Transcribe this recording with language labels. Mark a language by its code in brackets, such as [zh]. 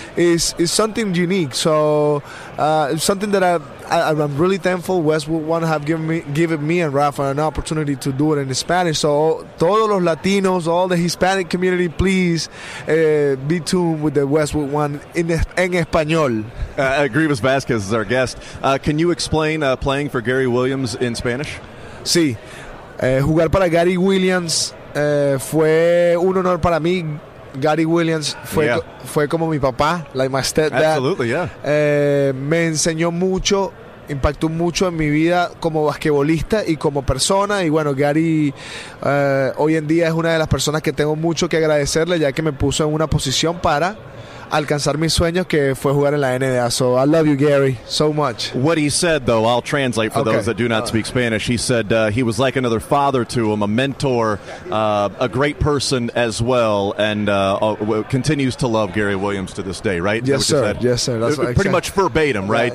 [en] Is something unique. So it's something that I'm really thankful Westwood One have given me and Rafa an opportunity to do it in Spanish. So [es] todos los Latinos, [en] all the Hispanic community, please be tuned with the Westwood One en Español. Grievous Vasquez is our guest. Can you explain playing for Gary Williams in Spanish? [es] Sí. Jugar para Gary Williams fue un honor para mí. Gary Williams fue como mi papá, [en] like my stepdad. Absolutely, yeah. [es] Me enseñó mucho, impactó mucho en mi vida como basquetbolista y como persona. Y bueno, Gary hoy en día es una de las personas que tengo mucho que agradecerle, ya que me puso en una posición para alcanzar mis sueños, que fue jugar en la NBA. [en] So I love you, Gary, so much. What he said, though, I'll translate for those that do not speak Spanish. He said he was like another father to him, a mentor, a great person as well, and continues to love Gary Williams to this day, right? Yes, sir. Yes, sir. That's pretty much verbatim, right?